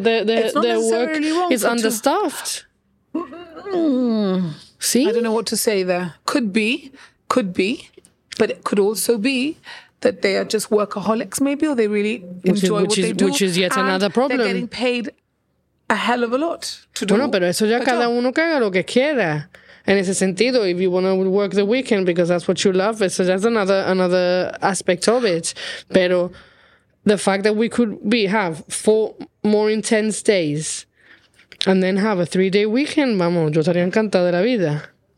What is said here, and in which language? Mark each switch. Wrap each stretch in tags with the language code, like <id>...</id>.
<en>That means that their work is understaffed. See? I don't know what to say there. Could be, but it could also be that they are just workaholics maybe, or they really enjoy what they do. Which is yet another problem. They're getting paid a hell of a lot to do.</en> <es>Bueno, pero eso ya cada uno que haga lo que quiera. En ese sentido,</es> <en>if you want to work the weekend because that's what you love, so that's another aspect of it.</en> <es>Pero</es> <en>the fact that we could be have 4 more intense days and then have a 3-day weekend,</en> <es>vamos, yo estaría encantada de la vida.</es>